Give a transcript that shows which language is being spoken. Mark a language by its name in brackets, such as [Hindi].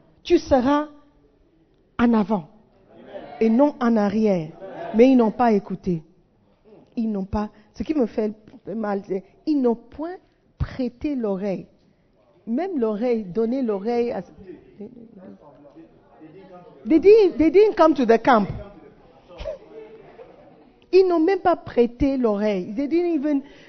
[French] Tu seras en avant et non en arrière. Mais ils n'ont pas écouté. Ils n'ont pas... Ce qui me fait mal, c'est qu'ils n'ont point prêté l'oreille. Même l'oreille, donner l'oreille à... [English] They didn't come to the camp. [French] Ils n'ont même pas prêté l'oreille. [English] They didn't even...